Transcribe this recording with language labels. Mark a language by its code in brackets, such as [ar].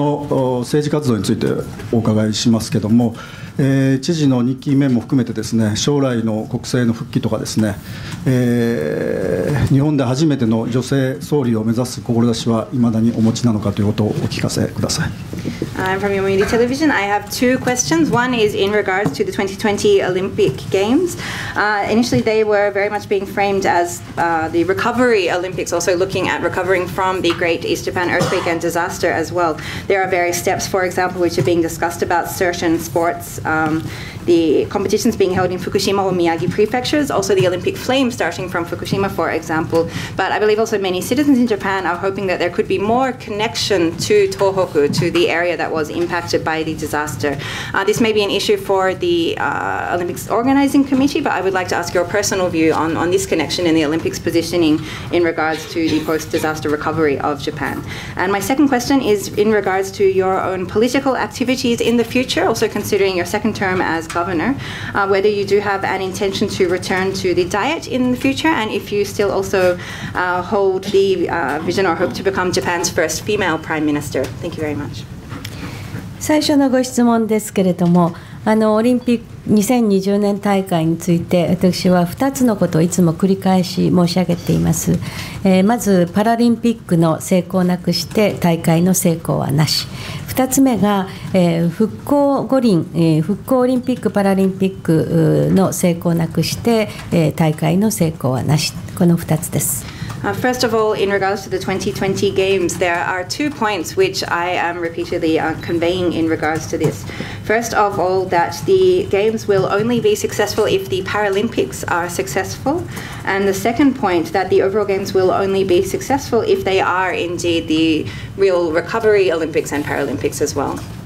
[ja] 知事、今日はありがとうございます。読売テレビの春川です。短く2つお聞きしたいと思います。1つは、オリンピックについてですね、招致の時は東日本大震災の被災地の復興ぶりを見て世界に見ていただきたいという話もあったと思いますが、それに対して野球は福島とかサッカーは宮城というのも入ってますし、聖火が福島からという話も聞いていますが、国民の間ではもう少し東北が関わりあってもいいのかなというふうな思いがあると思うんですが、これも組織委員会の話でしょうが、知事としてはどういうふうにお考えかということが1つ。それともう1つは知事の今後の政治活動について、お伺いしますけども、知事の2期目も含めてですね、将来の国政の復帰とかですね、日本で初めての女性総理を目指す志は未だにお持ちなのかということをお聞かせください。 [en] I'm from Yomiuri Television. I have two questions. One is in regards to the 2020 Olympic Games. Initially, they were very much being framed as the recovery Olympics, also looking at recovering from the Great East Japan earthquake and disaster as well. There are various steps, for example, which are being discussed about certain sports, the competitions being held in Fukushima or Miyagi prefectures, also the Olympic flame starting from Fukushima, for example. But I believe also many citizens in Japan are hoping that there could be more connection to Tohoku, to the area that was impacted by the disaster. This may be an issue for the Olympics organizing committee, but I would like to ask your personal view on this connection and the Olympics positioning in regards to the post-disaster recovery of Japan. And my second question is in regards to your own political activities in the future, also considering your second term as governor, whether you do have an intention to return to the Diet in the future, and if you still also hold the vision or hope to become Japan's first female prime minister. Thank you very much. [ja] 最初のご質問ですけれども、オリンピック2020年大会について私は2つのことをいつも繰り返し申し上げています。まずパラリンピックの成功なくして大会の成功はなし。 2つ目が、復興五輪、復興オリンピックパラリンピックの成功なくして、大会の成功はなし。この2つです。 [en] First of all, in regards to the 2020 Games, there are two points which I am repeatedly conveying in regards to this. First of all, that the Games will only be successful if the Paralympics are successful. And the second point, that the overall Games will only be successful if they are indeed the real recovery Olympics and Paralympics as well.